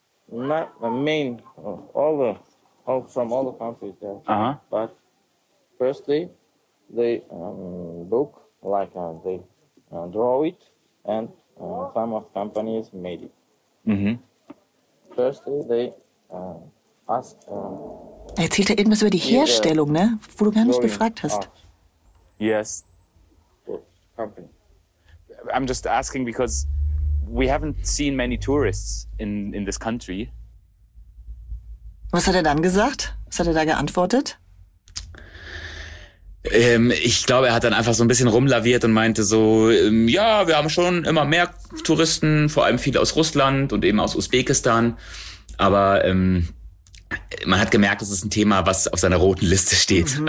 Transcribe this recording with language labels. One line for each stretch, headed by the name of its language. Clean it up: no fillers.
English: Not the main, all from all the countries there. Uh-huh. But firstly, they book, like they draw it, and some of companies made it. Mm-hmm. Firstly, they ask.
German: Erzählt er irgendwas über die Herstellung, ne? Wo du gar nicht befragt hast.
English: Yes. Company. I'm just asking because we haven't seen many tourists in this country.
German: Was hat er dann gesagt? Was hat er da geantwortet? Ich glaube, er hat dann einfach so ein bisschen rumlaviert und meinte so, ja, wir haben schon immer mehr Touristen, vor allem viele aus Russland und eben aus Usbekistan. Aber man hat gemerkt, das ist ein Thema, was auf seiner roten Liste steht. Mhm.